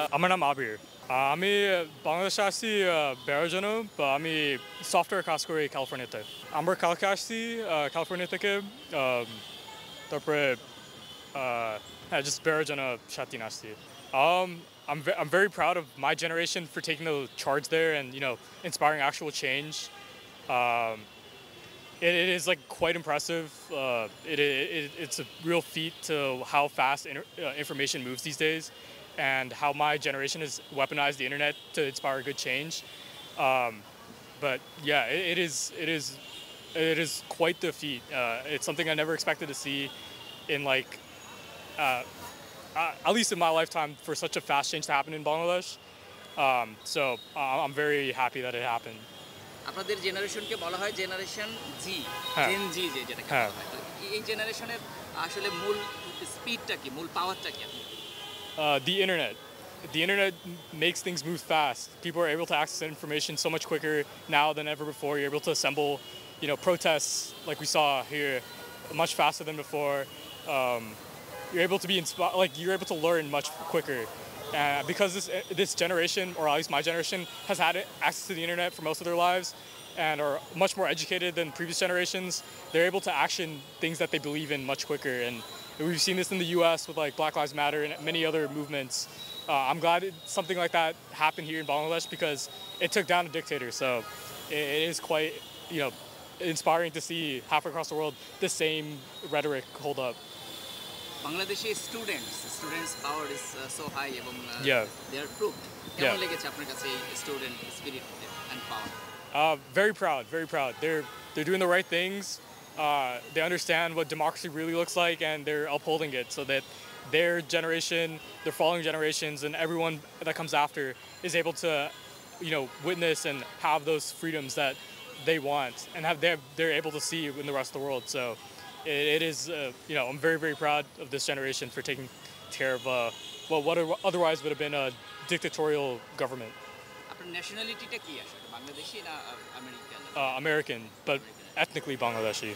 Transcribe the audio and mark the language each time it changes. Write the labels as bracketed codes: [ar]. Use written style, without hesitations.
[bn] আমার নাম আবির, আমি বাংলাদেশ আসছি বেরোজন, আমি সফটওয়্যার কাজ করি ক্যালিফোর্নিয়াতে। আমার কালকে আসছি ক্যালিফোর্নিয়া থেকে, তারপরে হ্যাঁ জাস্ট বেরোজন সাথে আসছি। [en] I'm very proud of my generation for taking the charge there and, you know, inspiring actual change. It is like quite impressive. It's a real feat to how fast information moves these days and how my generation has weaponized the internet to inspire good change. But yeah, it is quite the feat. It's something I never expected to see in like at least in my lifetime, for such a fast change to happen in Bangladesh. So I'm very happy that it happened. [bn] আপনাদের জেনারেশনকে বলা হয় generation জি, gen জি, যে যেটা এই জেনারেশনের আসলে মূল স্পিডটা কি, মূল পাওয়ারটা কি? [en] The internet makes things move fast. People are able to access information so much quicker now than ever before. You're able to assemble, you know, protests like we saw here much faster than before. You're able to be inspired, like you're able to learn much quicker. Because this generation, or at least my generation, has had access to the internet for most of their lives and are much more educated than previous generations, they're able to action things that they believe in much quicker. And we've seen this in the US with like Black Lives Matter and many other movements. I'm glad something like that happened here in Bangladesh because it took down a dictator. So it is quite, you know, inspiring to see half across the world the same rhetoric hold up. বাংলাদেশে students power is so high এবং they [bn] আর prove, কেমন লেগেছে আপনার কাছে এই [en] Student spirit and power? [bn] Very proud, they are doing the right things, they understand what democracy really looks like and they আর আপহোল্ডিং it so that there generation, the following generations and everyone that comes after is able to, you know, witness and have those freedoms that they want and have they আর able to C in the rest of the world. [en] So it is you know, I'm very, very proud of this generation for taking care of what otherwise would have been a dictatorial government. [bn] Apnar nationality ta ki ashole, Bangladeshi na [en] American? American, but ethnically Bangladeshi.